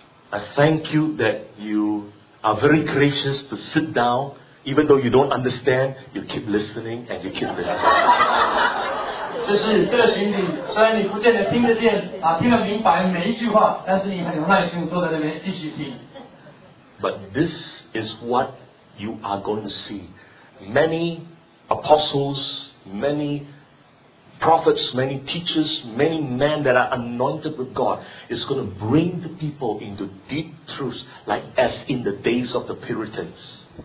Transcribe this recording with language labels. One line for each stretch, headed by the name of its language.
English: I thank you that you are very gracious to sit down, even though you don't understand, you keep listening and you keep listening.
Chinese: 就是这个群体，虽然你不见得听得见，听得明白每一句话，但是你很有耐心坐在那边继续听。
English: But this is what you are going to see. Many apostles, many prophets, many teachers, many men that are anointed with God is going to bring the people into deep truths, like as in the days of the Puritans.